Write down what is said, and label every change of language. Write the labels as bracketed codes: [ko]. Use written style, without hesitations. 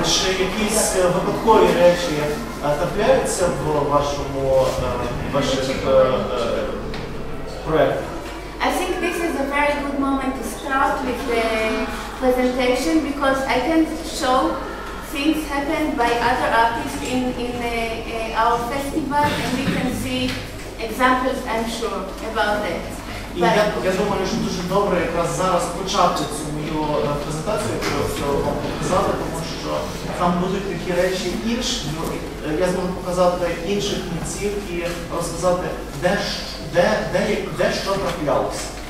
[uk] чи якісь випадкові речі трапляються в вашому проєкті? [en] I think this is a very good moment to start with the presentation because I can show things happen by other artists in our festival and we can see examples, I'm sure, about that. [uk] І я думаю, що дуже добре якраз зараз почати цю мою презентацію, якщо вам показати, тому що там будуть такі речі інші, я зможу показати інших митців і розказати, де що траплялося.